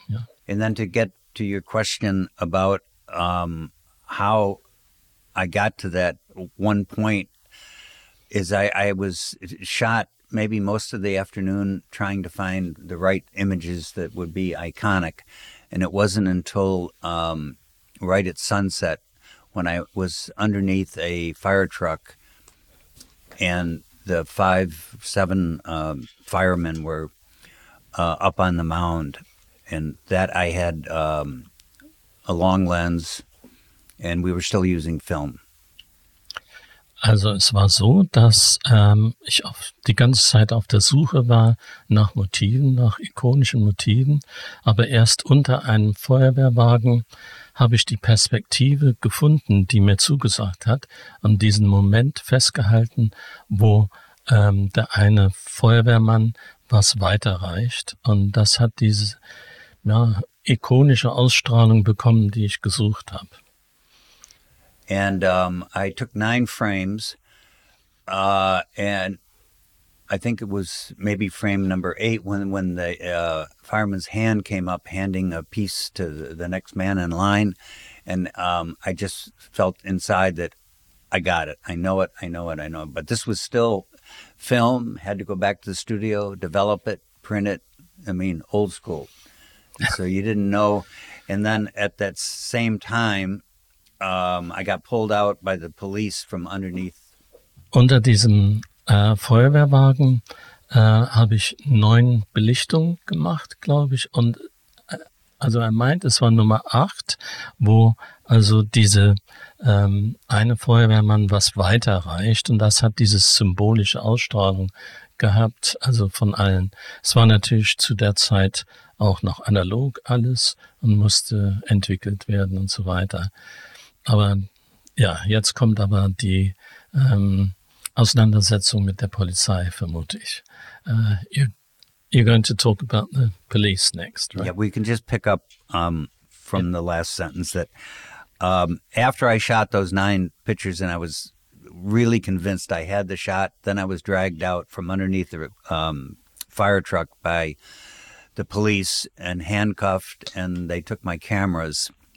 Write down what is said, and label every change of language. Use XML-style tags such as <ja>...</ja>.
<de>Ja.</de> <en>And then to get to your question about how I got to that one point is I was shot maybe most of the afternoon trying to find the right images that would be iconic. And it wasn't until right at sunset when I was underneath a fire truck and the 5-7 firemen were up on the mound. And that I had a long lens, and we were still using film.</en> <de>Also es war so, dass ich oft die ganze Zeit auf der Suche war nach Motiven, nach ikonischen Motiven, aber erst unter einem Feuerwehrwagen habe ich die Perspektive gefunden, die mir zugesagt hat, und diesen Moment festgehalten, wo der eine Feuerwehrmann was weiterreicht. Und das hat diese ikonische Ausstrahlung bekommen, die ich gesucht habe.</de> <en>And I took 9 frames, and I think it was maybe frame number 8 when the fireman's hand came up handing a piece to the next man in line, and I just felt inside that I got it. I know it. But this was still film, had to go back to the studio, develop it, print it. I mean, old school. So you didn't know. And then at that same time, I got pulled out by the police from underneath.</en> <de>Unter diesem Feuerwehrwagen habe ich 9 Belichtungen gemacht, glaube ich. Und also er meint, es war Nummer 8, wo also diese eine Feuerwehrmann was weiterreicht. Und das hat diese symbolische Ausstrahlung gehabt, also von allen. Es war natürlich zu der Zeit auch noch analog alles und musste entwickelt werden und so weiter. Aber ja, jetzt kommt aber die Auseinandersetzung mit der Polizei, vermute ich.</de> <en>You're going to talk about the police next, right? Yeah, we can just pick up from the last sentence that after I shot those 9 pictures and I was really convinced I had the shot, then I was dragged out from underneath the fire truck by the police and handcuffed, and they took my cameras.</en>